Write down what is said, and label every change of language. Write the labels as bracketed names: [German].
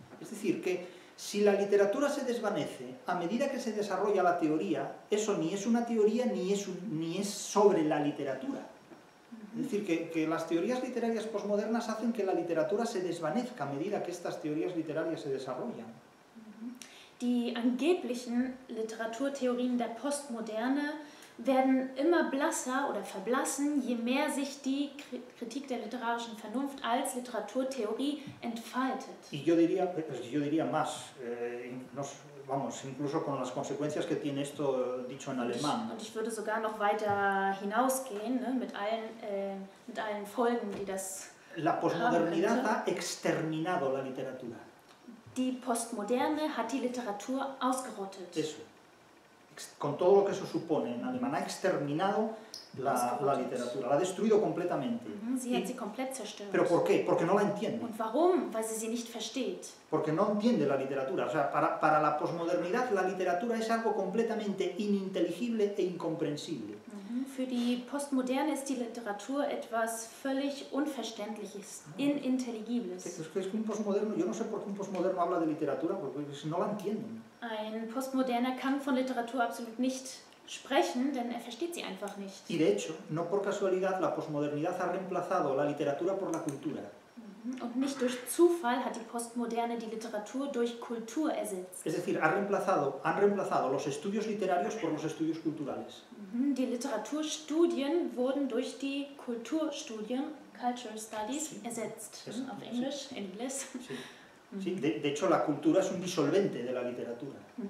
[Spanish] Es decir, que si la literatura se desvanece a medida que se desarrolla la teoría, eso ni es una teoría ni es sobre la literatura. Es decir, que las teorías literarias posmodernas hacen que la literatura se desvanezca a medida que estas teorías literarias se desarrollan. [German] Die angeblichen Literaturtheorien der Postmoderne werden immer blasser oder verblassen, je mehr sich die Kritik der literarischen Vernunft als Literaturtheorie entfaltet. [Spanish] Y yo diría más, vamos, incluso con las consecuencias que tiene esto dicho en alemán. [German] Und ich würde sogar noch weiter hinausgehen, ne, mit allen Folgen, die das [Spanish] La postmodernidad ha exterminado la literatura. [German] Die Postmoderne hat die Literatur ausgerottet. [Spanish] Eso. Con todo lo que eso supone, en alemán, ha exterminado la literatura, la ha destruido completamente. ¿Pero por qué? Porque no la entiende. [German] Und warum? Weil sie nicht versteht. [Spanish] Porque no entiende la literatura. O sea, para la posmodernidad, la literatura es algo completamente ininteligible e incomprensible. [German] Für die Postmoderne ist die Literatur etwas völlig Unverständliches, Inintelligibles. [Spanish] Es que un postmoderno, yo no sé por qué un postmoderno habla de literatura, porque no la entienden. [German] Ein Postmoderner kann von Literatur absolut nicht sprechen, denn er versteht sie einfach nicht. [Spanish] Y de hecho, no por casualidad, la posmodernidad ha reemplazado la literatura por la cultura. [German] Und nicht durch Zufall hat die Postmoderne die Literatur durch Kultur ersetzt. [Spanish] Es decir, han reemplazado los estudios literarios por los estudios culturales. [German] Die Literaturstudien wurden durch die Kulturstudien, Cultural Studies, sí, ersetzt. Auf Englisch, [Spanish] sí. [German] Englisch. [Spanish] Sí. Sí, de hecho, la cultura es un disolvente de la literatura.